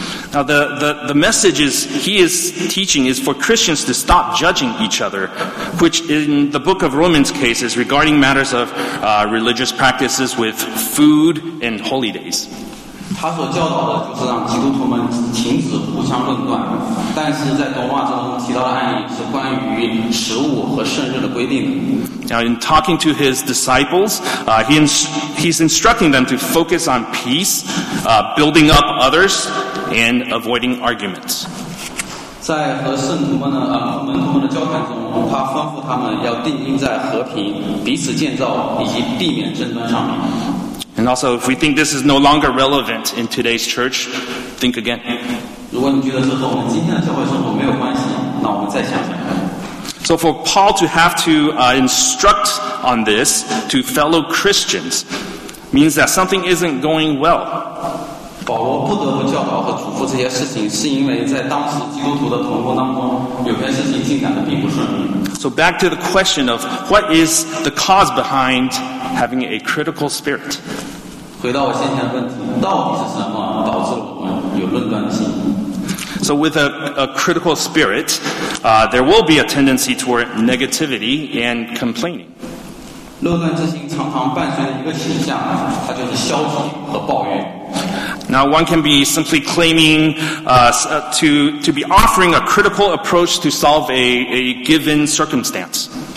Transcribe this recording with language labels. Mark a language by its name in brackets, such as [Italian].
[English] Now the message he is teaching is for Christians to stop judging each other, which in the book of Romans case is regarding matters of religious practices with food and holy days. [Chinese] 他所教导的就是让基督徒们停止互相论断，但是在动画中提到的案例是关于食物和圣日的规定的。 [English] Now in talking to his disciples, he's instructing them to focus on peace, building up others, and avoiding arguments. [Chinese] 在和圣徒们的门徒们的交谈中，他吩咐他们要定睛在和平、彼此建造以及避免争端上面。 [English] And also, if we think this is no longer relevant in today's church, think again. [Chinese] 如果你觉得这和我们今天的教会生活没有关系，那我们再想想。 [English] So for Paul to have to instruct on this to fellow Christians means that something isn't going well. [Chinese] 保罗不得不教导和嘱咐这些事情，是因为在当时基督徒的同工当中，有些事情进展的并不顺利。 [English] So back to the question of what is the cause behind having a critical spirit? [Chinese] 回到我先前的问题，到底是什么导致我们有论断的心？ [English] So with a critical spirit, there will be a tendency toward negativity and complaining. [Chinese] 论断之心常常伴随一个倾向，它就是消极和抱怨。 [English] Now one can be simply claiming to be offering a critical approach to solve a given circumstance.